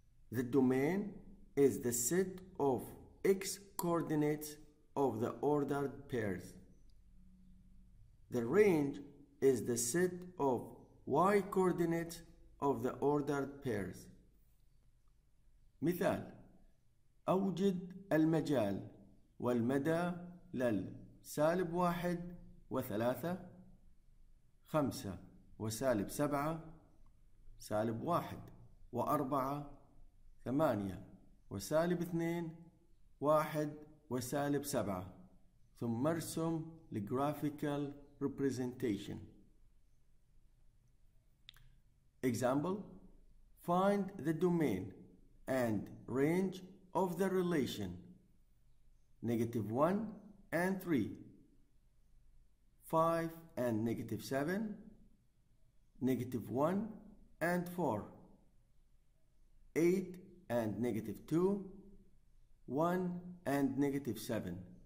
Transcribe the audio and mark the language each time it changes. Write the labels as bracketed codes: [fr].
[en] The domain is the set of x coordinates of the ordered pairs. The range is the set of y coordinates of the ordered pairs. [ar] مثال: أوجد المجال والمدى للسالب واحد وثلاثة، خمسة وسالب سبعة، سالب واحد وأربعة، ثمانية وسالب اثنين، واحد وسالب سبعة. ثم ارسم [en] الجرافيكال representation. Example: Find the domain and range of the relation negative 1 and 3, 5 and negative 7, negative 1 and 4, 8 and negative 2, 1 and negative 7.